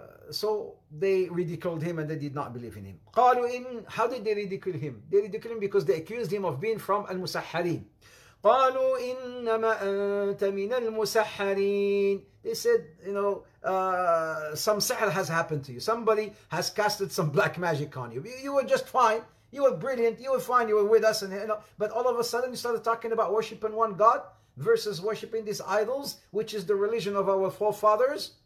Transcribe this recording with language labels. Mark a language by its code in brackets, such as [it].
[en] So they ridiculed him and they did not believe in him. [ar] قالوا إن [en] How did they ridicule him? They ridiculed him because they accused him of being from المسحرين. [ar] قالوا إنما أنت من المسحرين. [en] They said, you know, some sihr has happened to you. Somebody has casted some black magic on you. You were just fine. You were brilliant. You were fine. You were with us. And, you know, but all of a sudden you started talking about worshiping one God versus worshiping these idols, which is the religion of our forefathers.